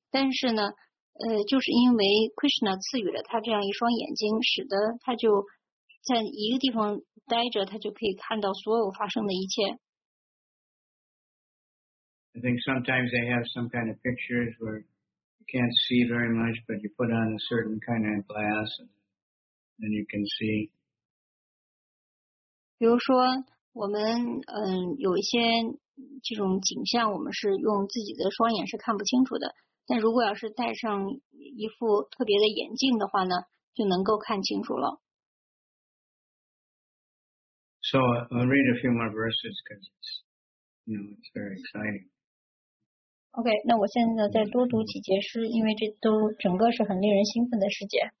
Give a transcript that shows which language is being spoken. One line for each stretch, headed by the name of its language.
Chinese: 但是呢，就是因为 Krishna 赐予了他这样一双眼睛，使得他就在一个地方待着，他就可以看到所有发生的一切。
English: I think sometimes they have some kind of pictures where you can't see very much, but you put on a certain kind of glass, and you can see.
Chinese: 比如说，我们有一些这种景象，我们是用自己的双眼是看不清楚的。但如果要是戴上一副特别的眼镜的话呢，就能够看清楚了。
English: So I'll read a few more verses because it's, you know, it's very exciting.
Chinese: Okay, 那我现在再多读几节诗，因为这都整个是很令人兴奋的世界。